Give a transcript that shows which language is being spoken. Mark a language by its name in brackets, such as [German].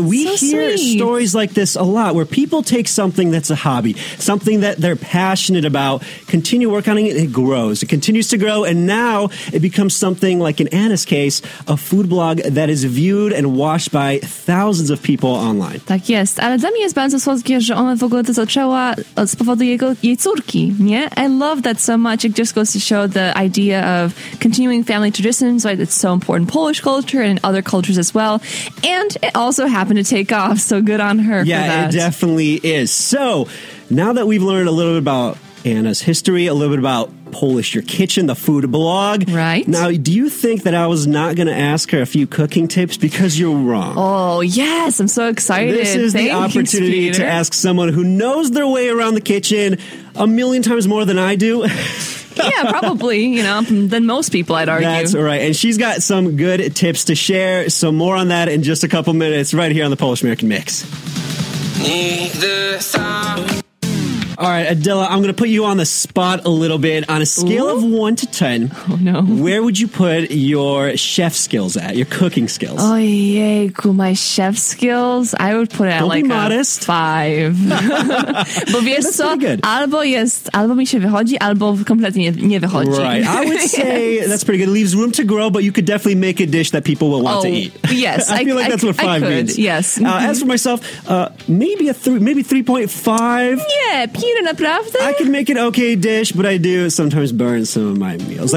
[English] We hear stories like this a lot, where people take something that's a hobby, something that they're passionate about, continue working on it, and it grows. It continues to grow, and now it becomes something, like in Anna's case, a food blog that is viewed and watched by thousands of people online. [Polish] Tak jest. Ale dla mnie jest bardzo słodkie, że ona w ogóle to zaczęła z powodu jej córki, nie? [English] I love that so much. It just goes to show the idea of continuing family traditions, right? It's so important in Polish culture and in other cultures as well. And it also happened to take off, so good on her for Yeah, it definitely is. So, now that we've learned a little bit about Anna's history, a little bit about Polish Your Kitchen, the food blog. Right. Now, do you think that I was not going to ask her a few cooking tips? Because you're wrong. Oh, yes. I'm so excited. This is the opportunity to ask someone who knows their way around the kitchen a million times more than I do. Yeah, probably, you know, than most people, I'd argue. That's right. And she's got some good tips to share. So more on that in just a couple minutes right here on the Polish American Mix. All right, Adela, I'm going to put you on the spot a little bit. On a scale of 1 to 10, where would you put your chef skills at, your cooking skills? Oh, yay, cool. My chef skills, I would put it at a 5. [Polish] Bo wiesz co, albo mi się wychodzi, albo kompletnie nie wychodzi. [English] Right, I would say that's pretty good. It leaves room to grow, but you could definitely make a dish that people will want to eat. Yes. I feel like that's what five means. Yes. As for myself, maybe 3.5. Yeah. I can make an okay dish, but I do sometimes burn some of my meals.